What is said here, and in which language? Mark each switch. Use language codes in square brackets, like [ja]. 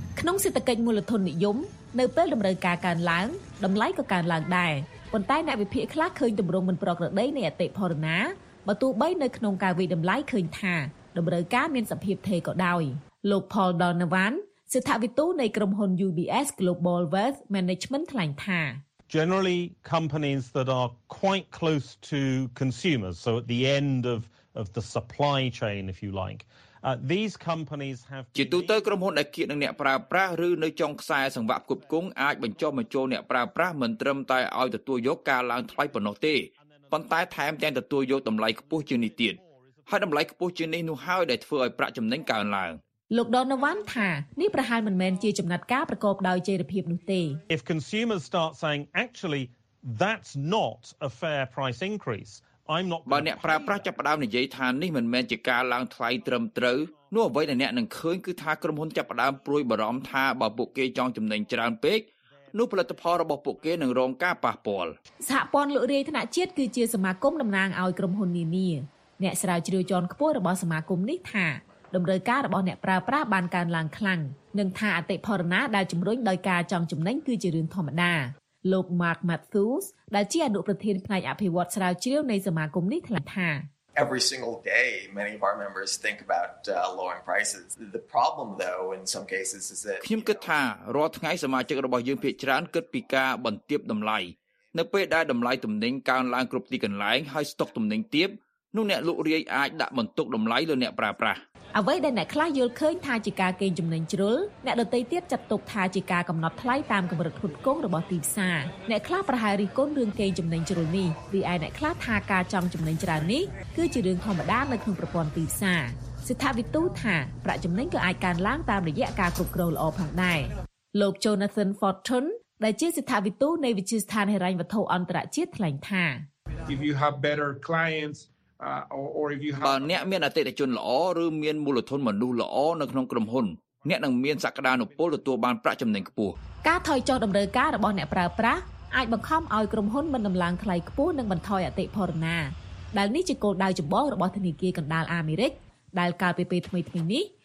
[km] ក្នុងសេដ្ឋកិច្ចមូលធននិយមនៅពេលតម្រូវការកើនឡើងតម្លៃក៏កើនឡើងដែរប៉ុន្តែអ្នកវិភាគខ្លះឃើញទម្រង់មិនប្រក្រតីនៃអតិផរណាបើទោះបីនៅក្នុងការវិនិច្ឆ័យតម្លៃឃើញថាតម្រូវការមានសភាពថេរក៏ដោយលោក Paul Donovan ស្ថាបវិទូនៃក្រុមហ៊ុន UBS Global Wealth Management ថ្លែងថា [en] Generally companies that are quite close to consumers so at the end of the supply chain if you like these companies have [km] ជាទូទៅក្រុមហ៊ុនដែលគៀកនឹងអ្នកប្រើប្រាស់ឬនៅចុងខ្សែសង្វាក់ផ្គត់ផ្គង់អាចបញ្ចុះបញ្ចូលអ្នកប្រើប្រាស់មិនត្រឹមតែឲ្យទទួលយកការឡើងថ្លៃប៉ុណ្ណោះទេប៉ុន្តែថែមទាំងទទួលយកតម្លៃខ្ពស់ជាងនេះទៀតហើយតម្លៃខ្ពស់ជាងនេះនោះហើយដែលធ្វើឲ្យប្រាក់ចំណេញកើនឡើង លោក Donovan ថានេះប្រហែលមិនមែនជាចំណាត់ការប្រកបដោយចីរភាពនោះទេ [en] If consumers start saying actually that's not a fair price increase I'm not [km] បើអ្នកប្រើប្រាស់ចាប់ផ្ដើមនិយាយថានេះមិនមែនជាការឡើងថ្លៃត្រឹមត្រូវនោះអ្វីដែលអ្នកនឹងឃើញគឺថាក្រុមហ៊ុនចាប់ផ្ដើមប្រួយបារម្ភថាបើពួកគេចង់ចំណេញច្រើនពេកនោះផលិតផលរបស់ពួកគេនឹងរងការប៉ះពាល់សហព័ន្ធលក់រាយថ្នាក់ជាតិគឺជាសមាគមតំណាងឲ្យក្រុមហ៊ុននានាអ្នកស្រាវជ្រាវជាន់ខ្ពស់របស់សមាគមនេះថាតម្រូវការរបស់អ្នកប្រើប្រាស់បានកើនឡើងខ្លាំងនឹងថាអតិផរណាដែលជំរុញដោយការចង់ចំណេញគឺជារឿងធម្មតាលោក Mark Matthews ដែលជាអនុប្រធានផ្នែកអភិវឌ្ឍស្រាវជ្រាវនៃសមាគមនេះថ្លែងថា [en] Every single day many of our members think about lowering prices the problem though in some cases is that [km] ខ្ញុំគិតថារាល់ថ្ងៃសមាជិករបស់យើងភាគច្រើនគិតពីការបន្ទាបតម្លៃនៅពេលដែលតម្លៃទំនិញកើនឡើងគ្រប់ទីកន្លែងហើយស្តុកទំនិញទាបនោះអ្នកលក់រាយអាចដាក់បន្ទុកតម្លៃលើអ្នកប្រើប្រាស់ អ្វីដែលអ្នកខ្លះយល់ឃើញថាជាការកេងចំណេញជ្រុលអ្នកដទៃទៀតចាត់ទុកថាជាការកំណត់ថ្លៃតាមកម្រិតផ្គត់ផ្គង់របស់ទីផ្សារអ្នកខ្លះប្រហែលរិះគន់រឿងកេងចំណេញជ្រុលនេះរីឯអ្នកខ្លះថាការចង់ចំណេញច្រើននេះគឺជារឿងធម្មតានៅក្នុងប្រព័ន្ធទីផ្សារស្ថាបវិទូថាប្រាក់ចំណេញក៏អាចកើនឡើងតាមរយៈការគ្រប់គ្រងល្អផងដែរលោក Jonathan Fortune ដែលជាស្ថាបវិទូនៃវិទ្យាស្ថានហិរញ្ញវត្ថុអន្តរជាតិថ្លែងថា [en] If you have better clientsor if you have [km] អ្នកមានអតិថិជនល្អឬមានមូលធនមនុស្សល្អនៅក្នុងក្រុមហ៊ុនអ្នកនឹងមានសក្តានុពលទទួលបានប្រាក់ចំណេញខ្ពស់ការថយចុះតម្រូវការរបស់អ្នកប្រើប្រាស់អាចបង្ខំឲ្យក្រុមហ៊ុនមិនដំឡើងថ្លៃខ្ពស់និងបន្ថយអតិផរណាដែលនេះជាគោលដៅចម្បងរបស់ធនាគារកណ្ដាលអាមេរិកដែលកាលពីពេលថ្មីៗនេះ